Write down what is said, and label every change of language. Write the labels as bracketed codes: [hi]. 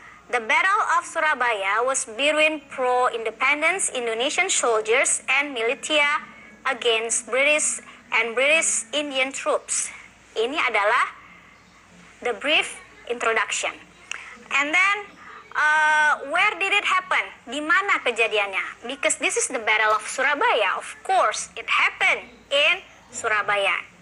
[en] The Battle of Surabaya was between pro-independence Indonesian soldiers and militia against British and British Indian troops. [id] Ini adalah [en] the brief introduction. And then, where did it happen? [id] Di mana kejadiannya? [en] Because this is the Battle of Surabaya, of course, it happened in Surabaya.